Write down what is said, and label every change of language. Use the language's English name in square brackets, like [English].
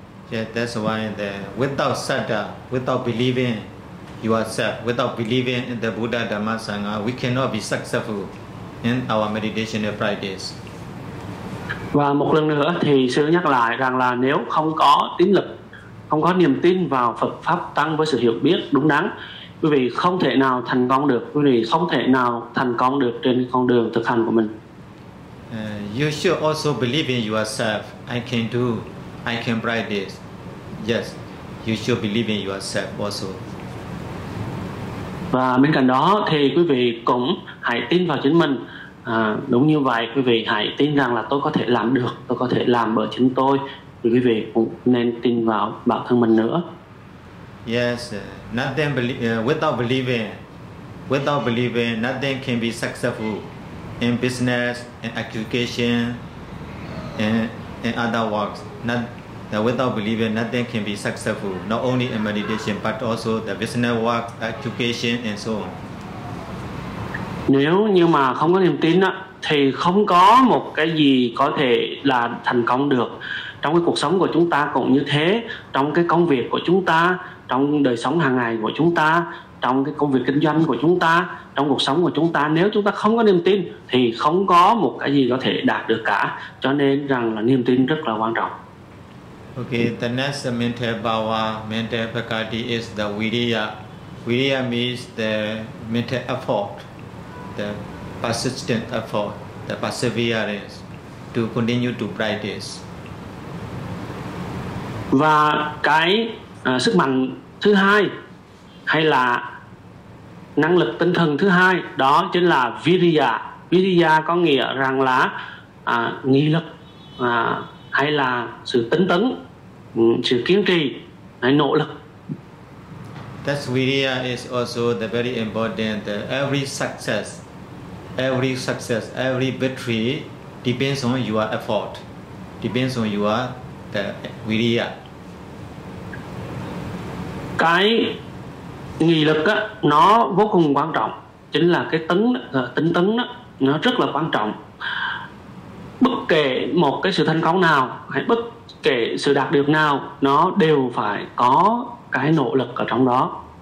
[English] Yeah, that's why the without sadha, without believing yourself, without believing in the Buddha, Dhamma, Sangha, we cannot be successful in our meditation practice. [Vietnamese] Và một lần nữa thì sư nhắc lại rằng là nếu không có tín lực, không có niềm tin vào Phật pháp tăng với sự hiểu biết đúng đắn, quý vị không thể nào thành công được. Quý vị không thể nào thành công được trên con đường thực hành của mình. [English] You should also believe in yourself. I can do. I can write this. Yes. You should believe in yourself also. [Vietnamese] Và bên cạnh đó thì quý vị cũng hãy tin vào chính mình. Đúng như vậy, quý vị hãy tin rằng là tôi có thể làm được, tôi có thể làm bởi chính tôi. Quý vị cũng nên tin vào bản thân mình nữa. [English] Yes, nothing without believing, nothing can be successful in business, in education, in other works. Without believing, nothing can be successful, not only in meditation, but also the business work, education, and so on. [Vietnamese] Nếu như mà không có niềm tin á, thì không có một cái gì có thể là thành công được. Trong cái cuộc sống của chúng ta cũng như thế, trong cái công việc của chúng ta, trong đời sống hàng ngày của chúng ta, trong cái công việc kinh doanh của chúng ta, trong cuộc sống của chúng ta, nếu chúng ta không có niềm tin thì không có một cái gì có thể đạt được cả. Cho nên rằng là niềm tin rất là quan trọng. [English] Okay, the next mental power, mental faculty is the viriya. Viriya means the mental effort, the persistent effort, the perseverance to continue to practice. [Vietnamese] Và cái sức mạnh thứ hai hay là năng lực tinh thần thứ hai đó chính là viriya. Viriya có nghĩa rằng là nghị lực hay là sự tinh tấn, sự kiên trì hay nỗ lực. [English] That viriya is also the very important that every success, every victory depends on your effort, depends on your the viriya. [Vietnamese] Cái nghị lực á, nó vô cùng quan trọng, chính là cái tính tấn á, nó rất là quan trọng. Bất kể một cái sự thành công nào hay bất kể sự đạt được nào, nó đều phải có cái nỗ lực ở trong đó.